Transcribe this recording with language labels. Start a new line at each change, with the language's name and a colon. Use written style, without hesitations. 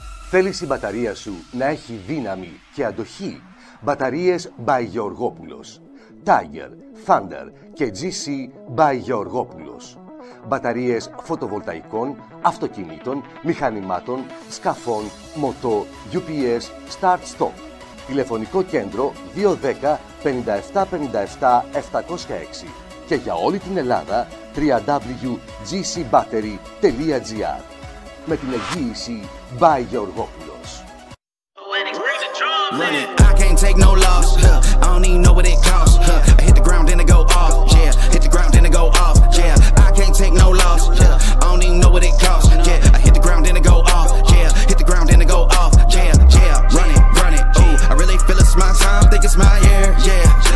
Greek: Θέλεις η μπαταρία σου να έχει δύναμη και αντοχή? Μπαταρίες by Γεωργόπουλος. Tiger, Thunder και GC by Γεωργόπουλος. Μπαταρίες φωτοβολταϊκών, αυτοκινήτων, μηχανημάτων, σκαφών, μοτό, UPS, Start-Stop. Τηλεφωνικό κέντρο 210-5757-706 και για όλη την Ελλάδα www.gcbattery.gr. Με την εγγύηση by Γεωργόπουλος.
English: I can't take no loss, huh. I don't even know what it costs, huh. I hit the ground and I go off, yeah. Hit the ground and I go off, yeah. I can't take no loss, huh. I don't even know what it costs, yeah. I hit the ground and I go off, yeah. Hit the ground and I go off, yeah, yeah. Run it, run it, ooh. I really feel it's my time, think it's my year, yeah.